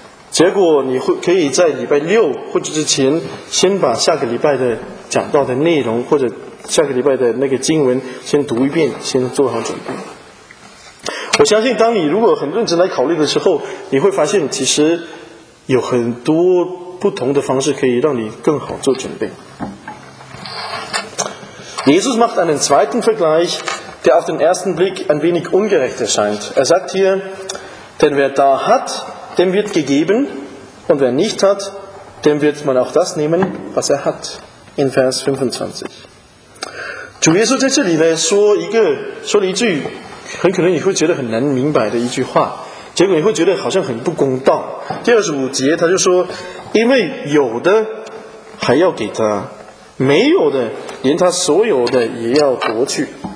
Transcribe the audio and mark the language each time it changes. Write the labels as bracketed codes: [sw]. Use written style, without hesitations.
[zh] 结果你会可以在礼拜六或者之前先把下个礼拜的讲到的内容或者下个礼拜的那个经文先读一遍，先做好准备。我相信当你如果很认真来考虑的时候，你会发现其实有很多不同的方式可以让你更好做准备。 [de] Jesus macht einen zweiten Vergleich, der auf den ersten Blick ein wenig ungerecht erscheint. Er sagt hier, denn wer da hat, dem wird gegeben, und wer nicht hat, dem wird man auch das nehmen, was er hat. In Vers 25. [zh] 主耶稣在这里呢，说了一句，很可能你会觉得很难明白的一句话，结果你会觉得好像很不公道。第二十五节他就说，因为有的还要给他，没有的连他所有的也要夺去。